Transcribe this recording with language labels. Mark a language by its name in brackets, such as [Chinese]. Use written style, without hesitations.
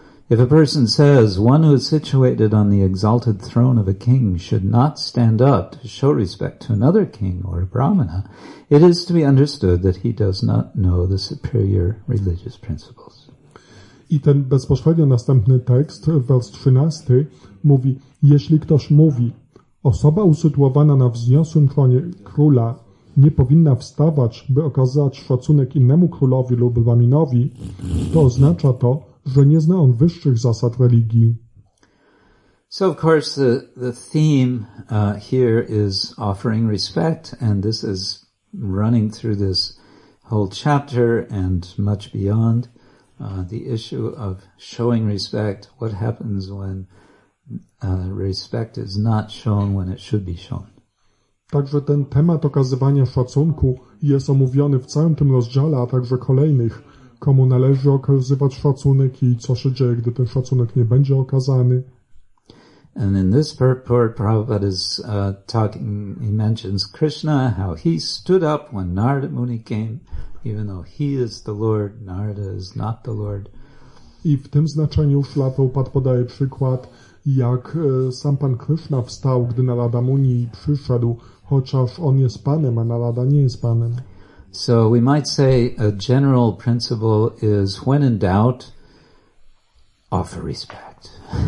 [English] If a person says, one who is situated on the exalted throne of a king should not stand up to show respect to another king or a brahmana, it is to be understood that he does not know the superior religious principles. [Polish] I ten bezpośrednio następny tekst, wers 13, mówi, jeśli ktoś mówi, osoba usytuowana na wzniosłym tronie króla nie powinna wstawać, by okazać szacunek innemu królowi lub brahminowi, to oznacza to, że nie zna on wyższych zasad religii. [English] So of course the theme here is offering respect, and this is running through this whole chapter and much beyond, the issue of showing respect. What happens when respect is not shown when it should be shown? [Polish] Także ten temat okazywania szacunku jest omówiony w całym tym rozdziale, a także kolejnych. Komu należy okazywać szacunek i co się dzieje, gdy ten szacunek nie będzie okazany. [English] And in this purport, Prabhupada is talking, he mentions Krishna, how he stood up when Narada Muni came, even though he is the Lord, Narada is not the Lord. [Polish] I w tym znaczeniu Śrila Prabhupada podaje przykład, jak sam Pan Krishna wstał, gdy Narada Muni przyszedł, chociaż on jest Panem, a Narada nie jest Panem. [English] So we might say a general principle is when in doubt, offer respect.